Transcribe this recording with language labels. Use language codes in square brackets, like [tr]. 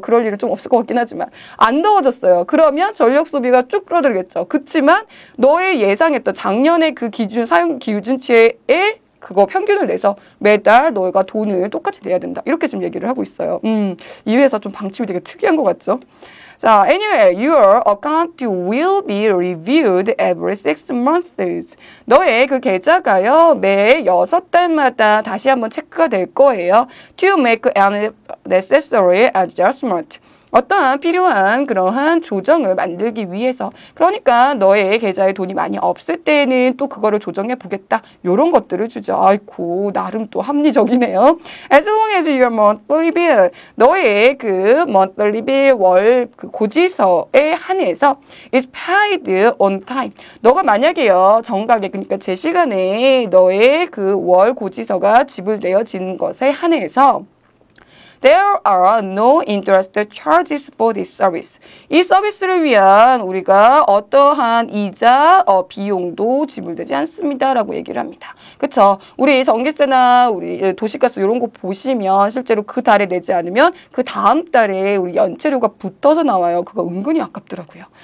[ko] 그럴 일은 좀 없을 것 같긴 하지만 안 더워졌어요. 그러면 전력 소비가 쭉 줄어들겠죠. 그치만 너의 예상했던 작년에 그 기준치에 그거 평균을 내서 매달 너희가 돈을 똑같이 내야 된다. 이렇게 지금 얘기를 하고 있어요. 이 회사 좀 방침이 되게 특이한 것 같죠? [en] 자, anyway, your account will be reviewed every 6 months. [ko] 너의 그 계좌가요, 매 6달마다 다시 한번 체크가 될 거예요. [en] To make any necessary adjustment. [ko] 어떠한 필요한 그러한 조정을 만들기 위해서. 그러니까 너의 계좌에 돈이 많이 없을 때는 또 그거를 조정해 보겠다. 요런 것들을 주죠. 아이고, 나름 또 합리적이네요. [en] As long as your monthly bill, [ko] 너의 그 monthly bill 월그 고지서에 한해서 [en] is paid on time. [ko] 너가 만약에요, 정각에, 그러니까 제 시간에 너의 그월 고지서가 지불되어진 것에 한해서 [en] There are no interest charges for this service. [ko] 이 서비스를 위한 우리가 어떠한 이자, 비용도 지불되지 않습니다. 라고 얘기를 합니다. 그쵸? 우리 전기세나 우리 도시가스 이런 거 보시면 실제로 그 달에 내지 않으면 그 다음 달에 우리 연체료가 붙어서 나와요. 그거 은근히 아깝더라고요.